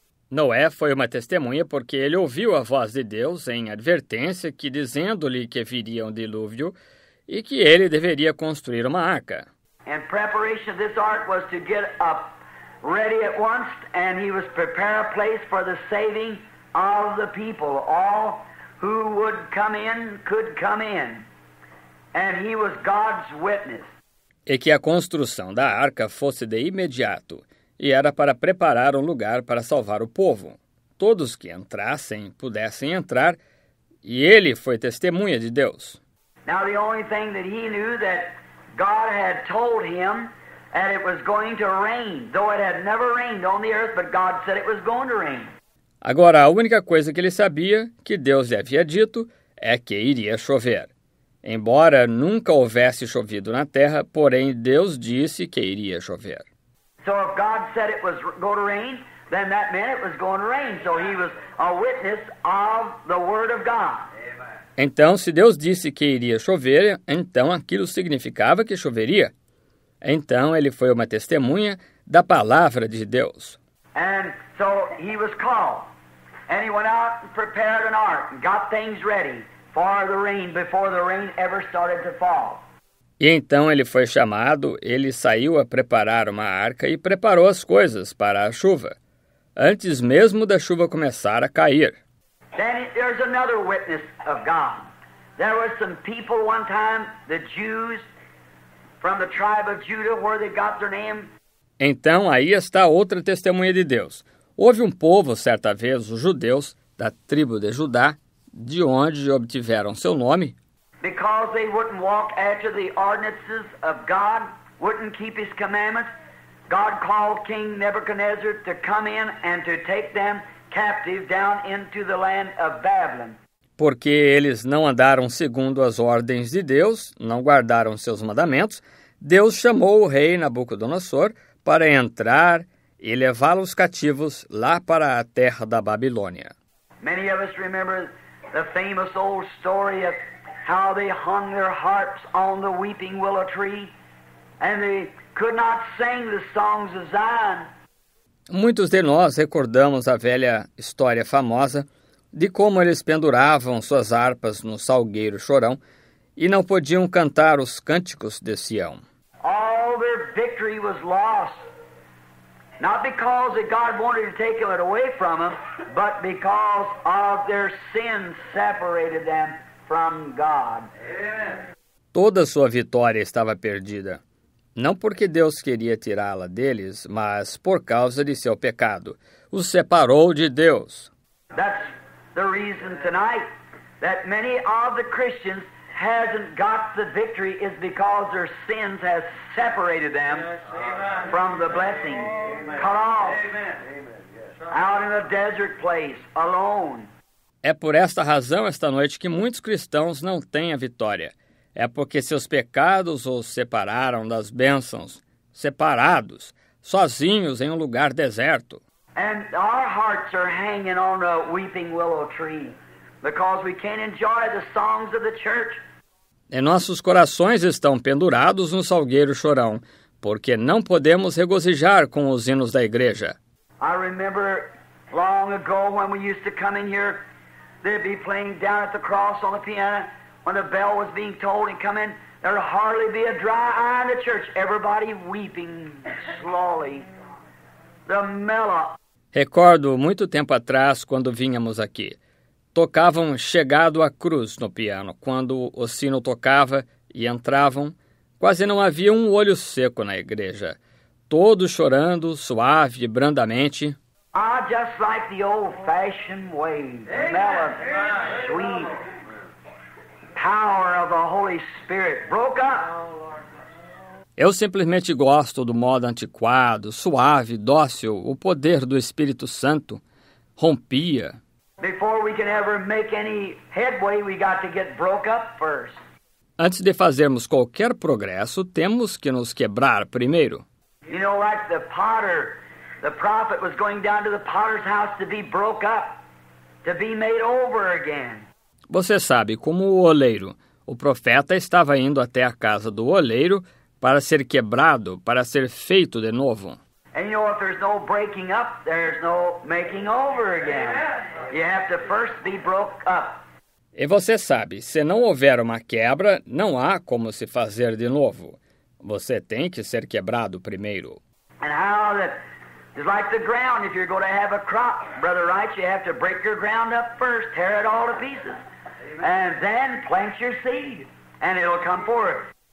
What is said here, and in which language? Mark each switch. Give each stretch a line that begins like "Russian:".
Portuguese: Noé foi uma testemunha porque ele ouviu a voz de Deus em advertência que dizendo-lhe que viria um dilúvio e que ele deveria construir uma arca.
English: And preparation of this ark was to get up ready at once, and he was prepare a place for the saving of the people. All who would come in could come in. And he was God's witness.
Portuguese: E que a construção da arca fosse de imediato, e era para preparar um lugar para salvar o povo. Todos que entrassem pudessem entrar, e ele foi testemunha de Deus.
English: Now the only thing that he knew that God had told him that it was going to rain, though it had never rained on the earth, but God said it was going to rain.
Portuguese: Agora, a única coisa que ele sabia que Deus lhe havia dito é que iria chover. Embora nunca houvesse chovido na terra, porém Deus disse que iria chover.
English: So if God said it was going to rain, then that meant it was going to rain. So he was a witness of the word of God.
Portuguese: Então, se Deus disse que iria chover, então aquilo significava que choveria. Então, ele foi uma testemunha da palavra de Deus.
English: And so he was called. And he went out and prepared an ark and got things ready for the rain before the rain ever started to fall.
Portuguese: E então ele foi chamado, ele saiu a preparar uma arca e preparou as coisas para a chuva, antes mesmo da chuva começar a cair.
English: Then there's another witness of God. There were some people one time, the Jews from the tribe of Judah, where they got their name.
Portuguese: Então, aí está outra testemunha de Deus. Houve um povo, certa vez, os judeus, da tribo de Judá, de onde obtiveram seu nome.
English: Because they wouldn't walk after the ordinances of God, wouldn't keep his commandments, God called King Nebuchadnezzar to come in and to take them captive down into the land of Babylon.
Portuguese: Porque eles não andaram segundo as ordens de Deus, não guardaram seus mandamentos, Deus chamou o rei Nabucodonosor para entrar e levá-los cativos lá para a terra da Babilônia.
English: Many of us remember the famous old story of how they hung their harps on the weeping willow tree and they could not sing the songs of Zion.
Portuguese: Muitos de nós recordamos a velha história famosa de como eles penduravam suas harpas no salgueiro chorão e não podiam cantar os cânticos de Sião.
English: All their victory was lost, not because that God wanted to take it away from them, but because of their sin separated them from God.
Portuguese: Toda sua vitória estava perdida, não porque Deus queria tirá-la deles, mas por causa de seu pecado. Os separou de Deus.
English: That's the reason tonight that many of the Christians hasn't got the victory is because their sins has separated them from the blessing. Cut off. Out in a desert place, alone.
Portuguese: É por esta razão esta noite que muitos cristãos não têm a vitória. É porque seus pecados os separaram das bênçãos, separados, sozinhos em um lugar deserto.
English: And our hearts are hanging on a weeping willow tree because we can't enjoy the songs of the church.
Portuguese: E nossos corações estão pendurados no salgueiro chorão, porque não podemos regozijar com os hinos da igreja.
English: I remember long ago when we used to come in here, they'd be playing down at the cross on the piano. When the bell was being tolled and come in, there'd hardly be a dry eye in the church. Everybody weeping slowly. The mellow.
Portuguese: Recordo muito tempo atrás, quando vínhamos aqui, tocavam Chegado à Cruz no piano. Quando o sino tocava e entravam, quase não havia um olho seco na igreja. Todos chorando, suave, brandamente.
English: I just like the old-fashioned way. Mellow, sweet. Power of the Holy Spirit broke up.
Portuguese: Eu simplesmente gosto do modo antiquado, suave, dócil, o poder do Espírito Santo rompia.
English: Before we can ever make any headway, we got to get broke up first.
Portuguese: Antes de fazermos qualquer progresso, temos que nos quebrar primeiro.
English: You know, like the potter, the prophet was going down to the potter's house to be broke up, to be made over again.
Portuguese: Você sabe, como o oleiro, o profeta estava indo até a casa do oleiro para ser quebrado, para ser feito de novo.
English: And you know, if there's no breaking up, there's no making over again. You have to first be broke up.
Portuguese: E você sabe, se não houver uma quebra, não há como se fazer de novo. Você tem que ser quebrado primeiro.
English: And how that is like the ground. If you're going to have a crop, Brother Wright, you have to break your ground up first, tear it all to pieces. And then plant your seed, and it'll come forth.